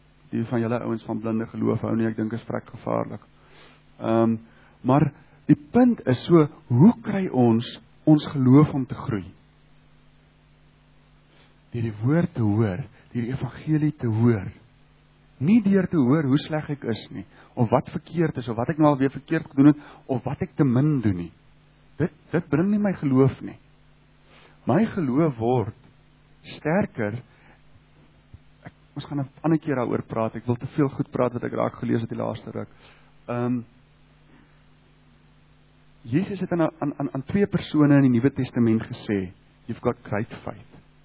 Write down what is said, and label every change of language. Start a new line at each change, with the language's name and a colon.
Afrikaans: Die van julle ouens van blinde geloof hou nie, ek dink is vrek gevaarlik. Maar die punt is so, hoe kry ons geloof om te groei? Deur die woord te hoor, deur die evangelie te hoor. Nie deur te hoor hoe sleg ek is nie, of wat verkeerd is, of wat ek nou alweer verkeerd gedoen het, of wat ek te min doen nie. Dit bring nie my geloof nie. My geloof word sterker. Ons gaan 'n ander keer daaroor praat, ek wil te veel goed praat wat ek raak gelees het die laaste ruk. Jesus het aan twee persone in die Nuwe Testament gesê,
English: you've got great faith.